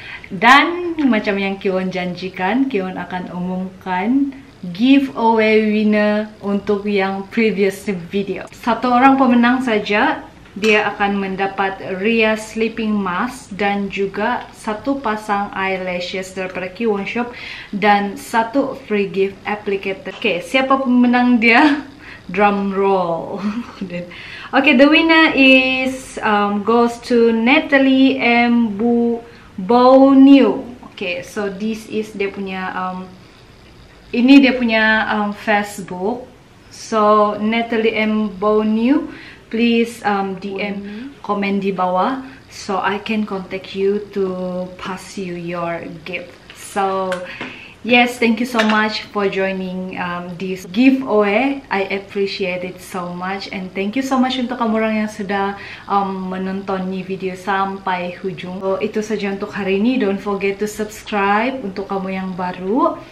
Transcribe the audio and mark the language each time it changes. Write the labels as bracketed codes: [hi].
[ms] Dan macam yang Kion janjikan, Kion akan umumkan giveaway winner untuk yang previous video. Satu orang pemenang saja dia akan mendapat Ria Sleeping Mask dan juga satu pasang eyelashes daripada Kiwon Shop dan satu free gift applicator. Okay, siapa pemenang dia? [en] Drum roll. Okay, the winner is goes to Natalie M Bouniu. Okay, so this is [ms] dia punya ini dia punya [en] Facebook. So Natalie M Bouniu, please DM [ms] komen di bawah [en] so I can contact you to pass you your gift. So yes, thank you so much for joining this giveaway. I appreciate it so much. And thank you so much [ms] untuk kamu orang yang sudah menonton video sampai hujung. So, itu saja untuk hari ini. [en] Don't forget to subscribe [ms] untuk kamu yang baru.